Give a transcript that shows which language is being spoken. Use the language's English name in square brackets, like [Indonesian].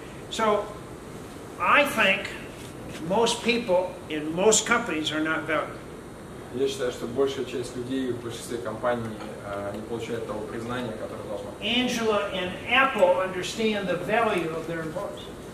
[English] So, I think most people in most companies are not valued. [Russian] Я считаю, что большая часть людей в большинстве компаний не получает того признания, которое должно быть. [English] Angela and Apple understand the value of their employees.